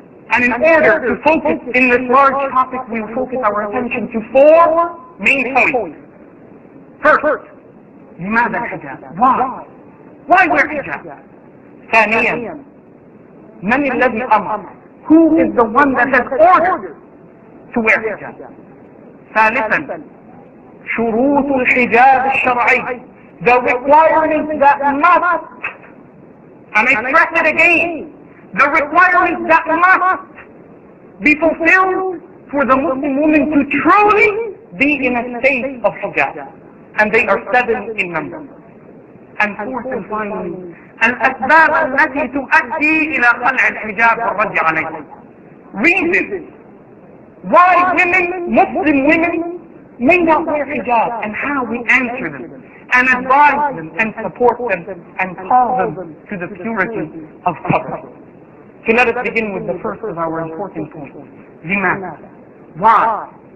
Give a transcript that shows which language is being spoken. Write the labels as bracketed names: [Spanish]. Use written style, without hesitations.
[English] And in order to focus in this large topic, we will focus our attention to four main points. First, [Arabic] لماذا حجاب? [English] Why? Why wear hijab? [Arabic] ثانيا, من الذي أمر? [English] Who is the one that has ordered to wear hijab? [Arabic] ثالثا, شروط الحجاب الشرعي. [English] The requirements that must, and I stress it again, the requirements that must be fulfilled for the Muslim woman to truly be in a state of hijab. And they are seven in number. And fourth and finally, [Arabic] الأسباب التي تؤدي إلى خلع الحجاب والرد عليه. [English] Reasons why women, Muslim women, may not wear hijab and how we answer them and advise them and support them and call them to the purity of covering. So let us begin with the first of our important points. لماذا? Why?